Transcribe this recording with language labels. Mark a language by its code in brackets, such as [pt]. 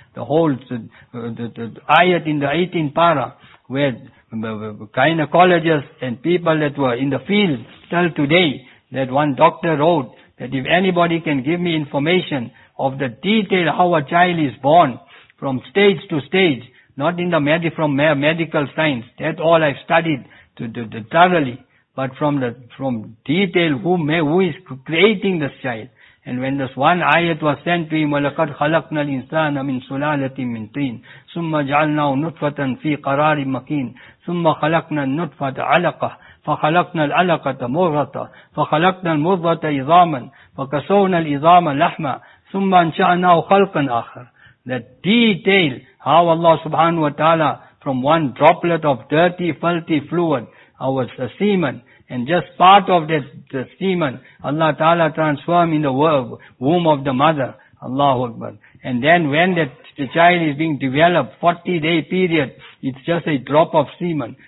[en] The whole the ayat in the 18th para, where gynecologists and people that were in the field tell today that one doctor wrote that if anybody can give me information of the detail how a child is born from stage to stage, not in the medical science, that all I've studied to thoroughly, but from detail who is creating this child. And when this one ayat was sent to him, [ar] وَلَقَدْ خَلَقْنَا الْإِنسَانَ مِنْ سُلَالَةٍ مِنْ تِينَ ثُمَّ جَعَلْنَاهُ نُطْفَةً فِي قَرَارٍ مَكِينَ ثُمَّ خَلَقْنَا النُّطْفَةَ عَلَقَةً فخلقنا العلقة مضغة فخلقنا المضغة عظاما فكسونا العظام لحما ثم انشأناه خلقا آخر. [en] The detail how Allah subhanahu wa ta'ala from one droplet of dirty, filthy fluid, our semen, and just part of that the semen, Allah ta'ala transformed in the womb of the mother. Allahu Akbar. And then when that the child is being developed, 40 day period, it's just a drop of semen.